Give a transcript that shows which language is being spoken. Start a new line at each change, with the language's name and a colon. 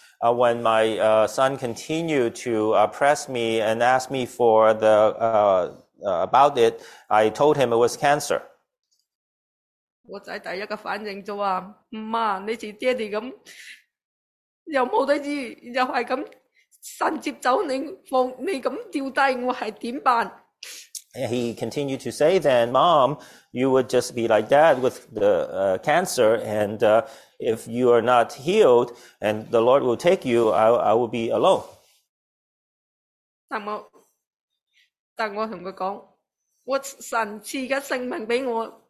English: When my son continued to press me and ask me for the about it, I told him it was cancer.
Cantonese: 我仔第一个反应就话：，妈，你似爹哋咁，又冇得医，又系咁，神接走你，放你咁掉低，我系点办
English: ？He continued to say, "Then, mom, you would just be like dad with the cancer, and if you are not healed, and the Lord will take you, I will be alone."
Cantonese: 但我同佢讲，我神赐嘅性命俾我。